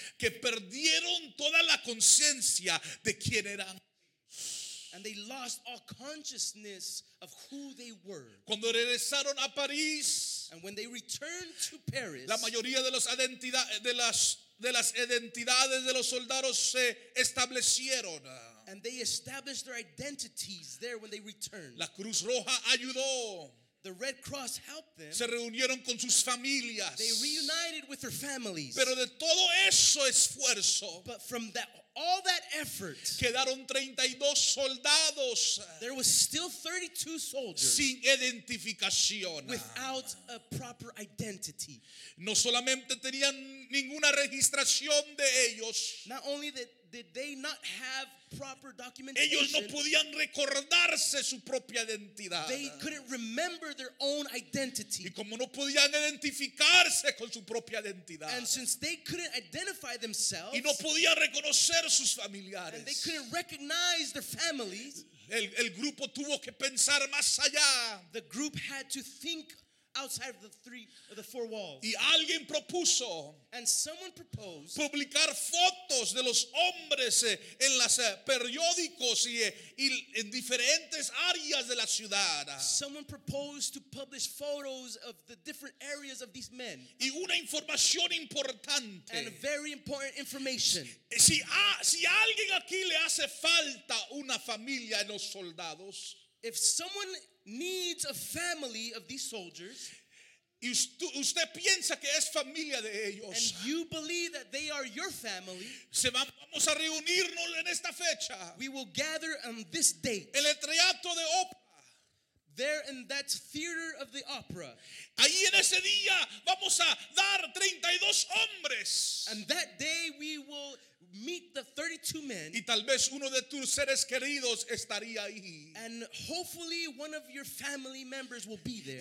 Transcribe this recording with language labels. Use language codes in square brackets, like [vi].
[es] Que perdieron toda la conciencia de quién eran. [en] And they lost all consciousness of who they were. [es] Cuando regresaron a París, [en] and when they returned to Paris, [es] la mayoría de las identidades de los soldados se establecieron. [en] And they established their identities there when they returned. [es] La Cruz Roja ayudó. [en] The Red Cross helped them. [es] Se reunieron con sus familias. [en] They reunited with their families. [es] Pero de todo eso esfuerzo, [en] but from that, all that effort, [es] quedaron 32 soldados. [en] There was still 32 soldiers [es] sin identificación. [en] Without a proper identity. [es] No solamente tenían ninguna registración de ellos. [en] Not only that, did they not have proper documentation? [es] Ellos no podían recordarse su propia identidad. [en] They couldn't remember their own identity. [es] Y como no podían identificarse con su propia identidad. [en] And since they couldn't identify themselves. [es] Y no podían reconocer sus familiares. [en] And they couldn't recognize their families. [es] El grupo tuvo que pensar más allá. [en] The group had to think outside of the four walls. [es] Y alguien propuso, [en] and someone proposed, [es] publicar fotos de los hombres en los periódicos y en diferentes áreas de la ciudad. [en] Someone proposed to publish photos of the different areas of these men. [es] Y una información importante, [en] and a very important information. [es] Si alguien aquí le hace falta una familia en los soldados, [en] if someone needs a family of these soldiers, [es] y usted piensa que es familia de ellos, [en] and you believe that they are your family, [es] vamos a reunirnos en esta fecha. [en] We will gather on this date. [es] En el teatro de ópera. [en] There in that theater of the opera. [es] Ahí en ese día vamos a dar 32 hombres. [en] And that day we will meet the 32 men. [es] Y tal vez uno de tus seres queridos estaría ahí. [en] And hopefully one of your family members will be there.